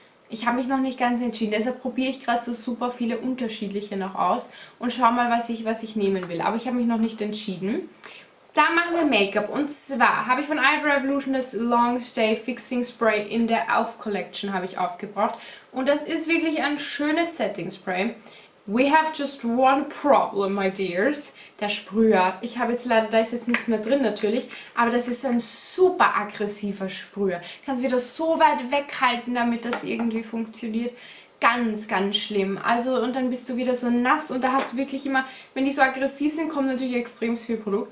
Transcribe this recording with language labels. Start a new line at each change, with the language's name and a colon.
German: Ich habe mich noch nicht ganz entschieden. Deshalb probiere ich gerade so super viele unterschiedliche noch aus und schaue mal, was ich nehmen will. Aber ich habe mich noch nicht entschieden. Da machen wir Make-up. Und zwar habe ich von Ivy Revolution das Long Stay Fixing Spray in der Elf Collection habe ich aufgebraucht. Und das ist wirklich ein schönes Setting Spray.
English: We have just one problem, my dears.
German: Der Sprüher. Ich habe jetzt leider, da ist jetzt nichts mehr drin natürlich. Aber das ist ein super aggressiver Sprüher. Kannst wieder so weit weghalten, damit das irgendwie funktioniert. ganz, ganz schlimm. Also, und dann bist du wieder so nass und da hast du wirklich immer, wenn die so aggressiv sind, kommen natürlich extrem viel Produkt.